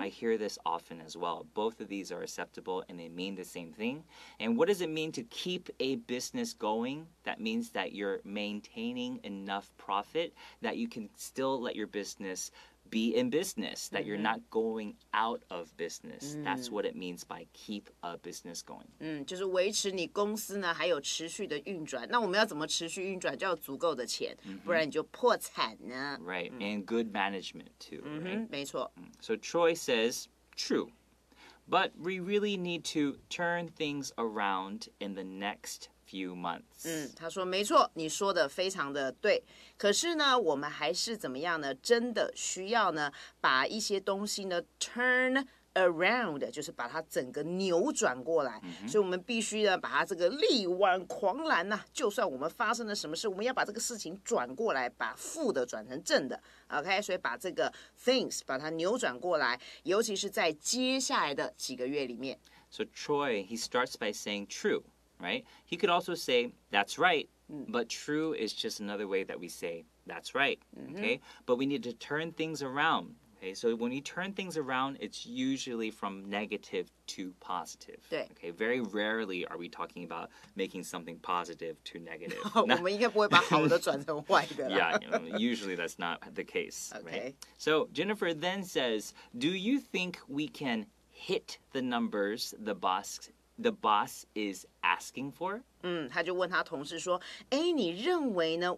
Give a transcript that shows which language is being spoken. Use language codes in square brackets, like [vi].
[en] I hear this often as well Both of these are acceptable and they mean the same thing And what does it mean to keep a business going? That means that you're maintaining enough profit That you can still let your businessbe in business, that you're not going out of business.、Mm-hmm. That's what it means by keep a business going.、 [zh] 嗯、就是维持你公司呢还有持续的运转。那我们要怎么持续运转就要足够的钱、mm-hmm. 不然你就破产呢。 [en] Right,、mm-hmm. and good management too,、mm-hmm. right? [zh] 没错。 [en] So Troy says, true, but we really need to turn things around in the next few months.、 [zh] 嗯、他说没错你说的非常的对。可是呢我们还是怎么样呢真的需要呢把一些东西呢 turn around, 就是把它整个扭转过来。 Mm-hmm. 所以我们必须呢把它这个力挽狂澜呢、啊、就算我们发生了什么事我们要把这个事情转过来把负的转成正的。 OK, 所以把这个 things, 把它扭转过来尤其是在接下来的几个月里面。 [en] So Troy, he starts by saying true, right? He could also say, that's right. But true is just another way that we say, that's right, okay?、 Mm-hmm. But we need to turn things around, okay? So when you turn things around, it's usually from negative to positive, okay? Very rarely are we talking about making something positive to negative. [zh] 我们应该不会把好的转成坏的啦。 [en] Yeah, usually that's not the case, okay. Right? So Jennifer then says, do you think we can hit the numbers the boss is asking for? [zh] 嗯，他就问他同事说：“哎，你认为呢？